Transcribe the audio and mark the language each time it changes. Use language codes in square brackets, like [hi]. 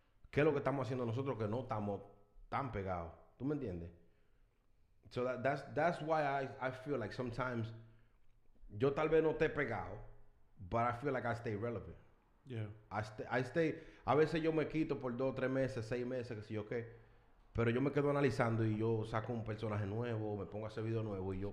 [es] ¿Qué es lo que estamos haciendo nosotros que no estamos tan pegados? ¿Tú me entiendes? [en] So that's why I feel like sometimes [es] yo tal vez no esté pegado, [en] but I feel like I stay relevant. Yeah. I stay [es] a veces yo me quito por 2, 3 meses, 6 meses, qué sé yo qué. Pero yo me quedo analizando y yo saco un personaje nuevo, me pongo a hacer video nuevo y yo...